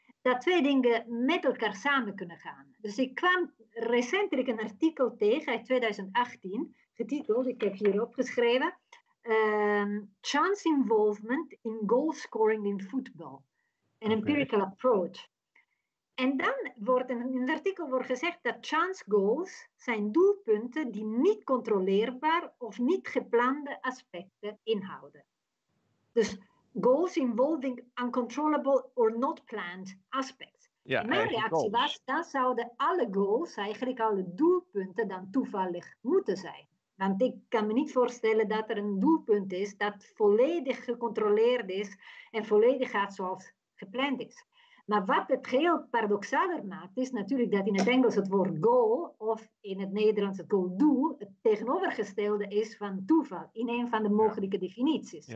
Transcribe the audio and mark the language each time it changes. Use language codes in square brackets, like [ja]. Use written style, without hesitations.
[nl] dat twee dingen met elkaar samen kunnen gaan. Dus ik kwam recentelijk een artikel tegen uit 2018, getiteld, ik heb hier opgeschreven, [en] Chance Involvement in Goal Scoring in Football, an Empirical Approach. [nl] En dan wordt in een artikel wordt gezegd dat chance goals zijn doelpunten die niet controleerbaar of niet geplande aspecten inhouden. [en] Dus goals involving uncontrollable or not planned aspects. [nl] Ja, mijn reactie goals was, dan zouden alle goals, eigenlijk alle doelpunten, dan toevallig moeten zijn. Want ik kan me niet voorstellen dat er een doelpunt is dat volledig gecontroleerd is en volledig gaat zoals gepland is. Maar wat het geheel paradoxaler maakt, is natuurlijk dat in het Engels het woord goal of in het Nederlands het goal do het tegenovergestelde is van toeval in een van de mogelijke definities.